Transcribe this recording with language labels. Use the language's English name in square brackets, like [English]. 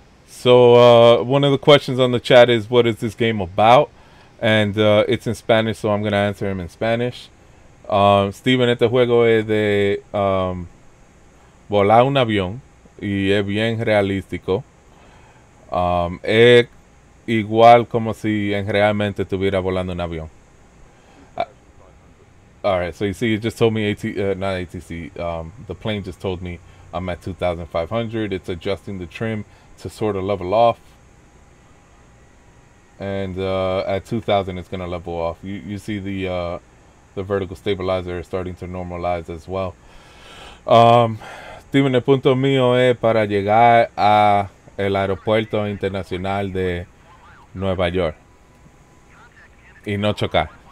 [English] So, one of the questions on the chat is, what is this game about? And, it's in Spanish, so I'm going to answer him in Spanish. [Spanish] Steven, este juego es de, volar un avión, y es bien realístico. Es igual como si en realmente estuviera volando un avión. [English] Alright, so you see, it just told me the plane just told me I'm at 2,500. It's adjusting the trim to sort of level off, and at 2,000 it's gonna level off. You see the vertical stabilizer is starting to normalize as well. [Spanish] Steven, el punto mío es para llegar a el aeropuerto internacional de Nueva York y no chocar.